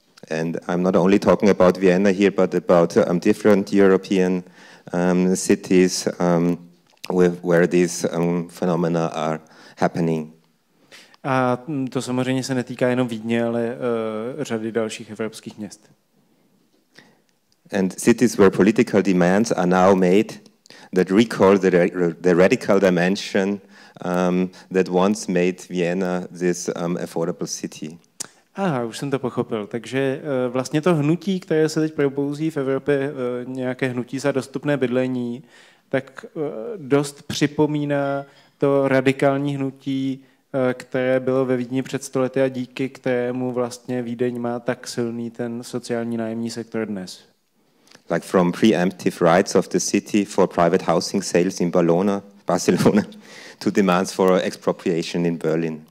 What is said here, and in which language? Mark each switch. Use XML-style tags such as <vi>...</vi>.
<en>And I'm not only talking about Vienna here, but about different European cities where these phenomena are happening.</en> <cs>A to samozřejmě se netýká jenom Vídně, ale řady dalších evropských měst.</cs> <en>And cities where political demands are now made that recall the radical dimension that once made Vienna this affordable city.</en> <cs>Aha, už jsem to pochopil. Takže vlastně to hnutí, které se teď probouzí v Evropě, nějaké hnutí za dostupné bydlení, tak dost připomíná to radikální hnutí, které bylo ve Vídni před stolety a díky kterému vlastně Vídeň má tak silný ten sociální nájemní sektor dnes.</cs> <en>Like from preemptive rights of the city for private housing sales in Barcelona to demands for expropriation in Berlin.</en>